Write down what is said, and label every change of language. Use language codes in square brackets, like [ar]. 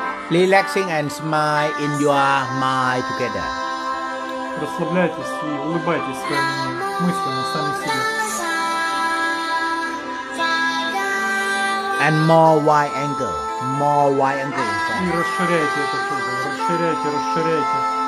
[en] Relaxing and smile in your mind together. [ru] Расслабляйтесь и улыбайтесь своими мыслями сами себе. [en] and more wide angle, more wide angle. [ru] И расширяйте это все, расширяйте, расширяйте.